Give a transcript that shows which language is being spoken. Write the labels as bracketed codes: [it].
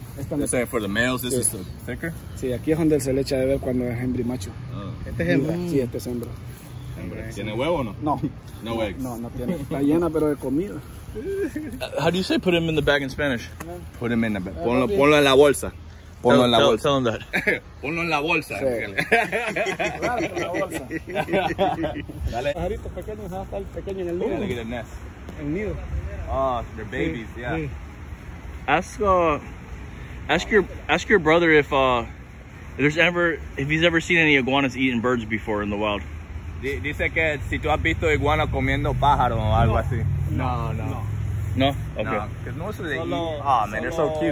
[en] You're saying for the males, this is the thicker? [es] Sí, aquí es donde se le echa de ver cuando es hembra y macho. Oh. Este es hembra. Mm. Sí, este es hembra. Hembra. Okay. ¿Tiene huevo o no? No. [en] No eggs. [es] No tiene. Está llena, pero de comida. [en] How do you say put him in the bag in Spanish? Put him in the bag. [es] Ponlo en la bolsa. Ponlo en la bolsa. [en] Tell him that. [es] Ponlo en la bolsa. Sí. Dale. Pajaritos pequeños, va a estar pequeño en el nido. [en] Gotta get a nest. [es] El nido. [en] Oh, they're babies, yeah. [es] Sí. [en] Ask your brother if he's ever seen any iguanas eating birds before in the wild. [es] Dice que si tú has visto iguana comiendo pájaro o algo así. No. [en] Okay. No, because most of the eat. Oh, man, they're so cute.